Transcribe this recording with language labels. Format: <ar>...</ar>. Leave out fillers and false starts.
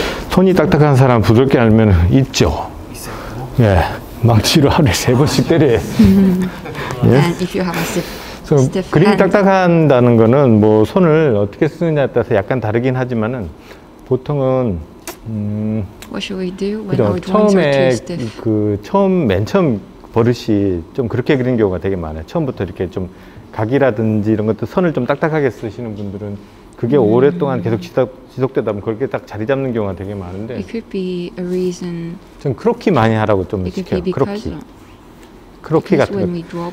<ko>손이 딱딱한 사람 부드럽게 하면 있죠. 예, 망치로 하루에 세 번씩 때려요.</ko> <en>예? And if you have a stiff hand.</en> <ko>그림이 딱딱한다는 거는 뭐 손을 어떻게 쓰느냐에 따라서 약간 다르긴 하지만은 보통은</ko> <en>What should we do when our joints are too stiff?</en> <ko>그 처음 맨 처음 버릇이 좀 그렇게 그린 경우가 되게 많아요. 처음부터 이렇게 좀 각이라든지 이런 것도 손을 좀 딱딱하게 쓰시는 분들은 그게 오랫동안 계속 지속되다 보면 그렇게 딱 자리 잡는 경우가 되게 많은데</ko> <en>It could be a reason</en> <ko>좀 크로키 많이 하라고 좀 시켜요. 크로키 같은 거.</ko>